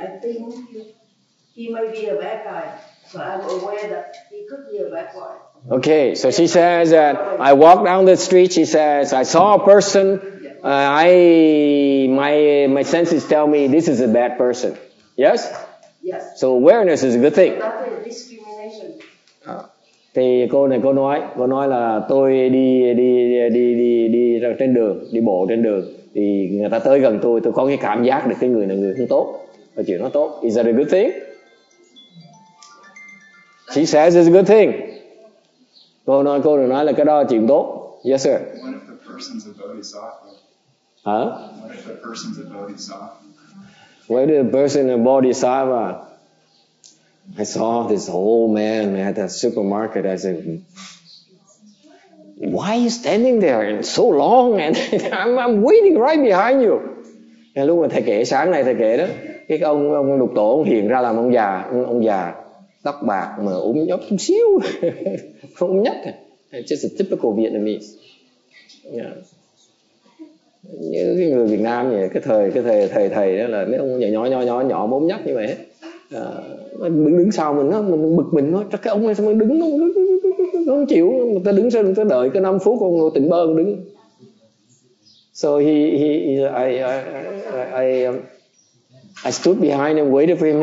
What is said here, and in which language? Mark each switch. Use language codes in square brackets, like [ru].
[en] I think he might be a bad guy. So I'm aware that he could be a bad guy. Okay, so she says that I walk down the street, she says, I saw a person. My senses tell me this is a bad person. Yes? Yes. So awareness is a good thing. Discrimination. [vi] Thì cô nói là tôi đi trên đường, đi bộ trên đường thì người ta tới gần tôi có cái cảm giác được cái người này người không tốt. Và chuyện nó tốt. [en] Is that a good thing? She says it's a good thing. [vi] Cô nói là cái đó là chuyện tốt. [en] Yes sir. What if the person's a bodhisattva? Huh? What if the person's a bodhisattva? What if the person a bodhisattva? I saw this old man at a supermarket. I said, why are you standing there and so long? And I'm waiting right behind you. [vi] And lúc mà thầy kể sáng nay thầy kể đó, cái ông lục tổ ông hiện ra làm ông già tóc bạc mà úm nhóc chút xíu, không úm nhóc. [en] It's just a typical Vietnamese. [vi] Như cái người Việt Nam vậy, cái thời đó là mấy ông nhỏ mốm nhóc như vậy hết. Mình đứng sau mình á, mình bực mình thôi, chắc cái ông ấy sao mới đứng không? Không chịu, người ta đứng sau người ta đợi cái 5 phút còn tỉnh bơ đứng. [en] So I stood behind and waited for him.